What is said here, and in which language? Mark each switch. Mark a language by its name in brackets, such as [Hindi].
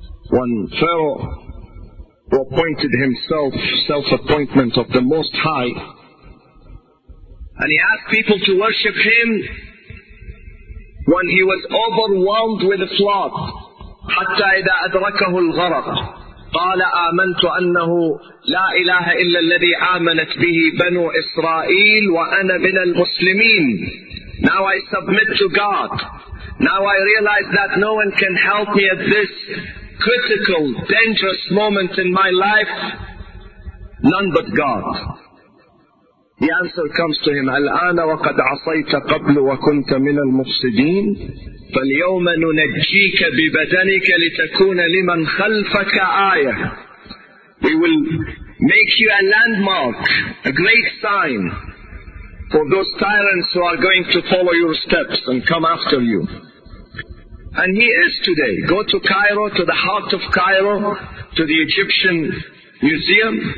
[English] When Pharaoh, who appointed himself, self-appointment of the Most High, and he asked people to worship him, when he was overwhelmed with the flood, [Arabic] حَتَّى إِذَا أَدْرَكَهُ الْغَرَقُ قَالَ آمَنْتُ أَنَّهُ لَا إِلَهَ إِلَّا الَّذِي آمَنَتْ بِهِ بَنُو إِسْرَائِيلُ وَأَنَا مِنَ الْمُسْلِمِينَ. [English] Now I submit to God. Now I realize that no one can help me at this critical, dangerous moment in my life. None but God. The answer comes to him, [Arabic] الْآنَ وَقَدْ عَصَيْتَ قَبْلُ وَكُنْتَ مِنَ الْمُفْسِدِينَ. فاليوم ننجيك ببدنك لتكون لمن خلفك آية. [English] We will make you a landmark, a great sign for those tyrants who are going to follow your steps and come after you. And he is today. Go to Cairo, to the heart of Cairo, to the Egyptian Museum.